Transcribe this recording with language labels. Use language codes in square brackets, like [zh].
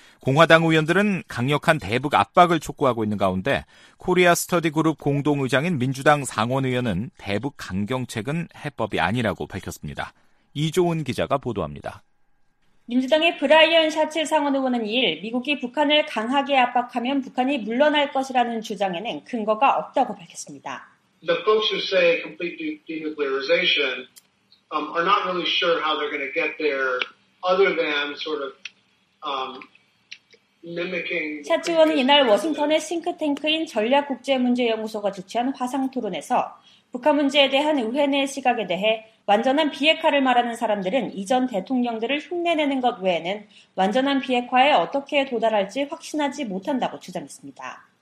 [ko] 공화당 의원들은 강력한 대북 압박을 촉구하고 있는 가운데 코리아 스터디 그룹 공동의장인 민주당 상원의원은 대북 강경책은 해법이 아니라고 밝혔습니다. 이조은 기자가 보도합니다. 민주당의 브라이언 샤칠 상원의원은 2일 미국이 북한을 강하게 압박하면 북한이 물러날 것이라는 주장에는 근거가 없다고 밝혔습니다. [en] The folks who say complete denuclearization are not really sure how they're going to get there other than sort of mimicking. [ko] 샤 의원은 이날 워싱턴의 싱크탱크인 전략국제문제연구소가 주최한 화상토론에서 북한 문제에 대한 의회 내 시각에 대해 완전한 비핵화를 말하는 사람들은 이전 대통령들을 흉내내는 것 외에는 완전한 비핵화에 어떻게 도달할지 확신하지 못한다고 주장했습니다.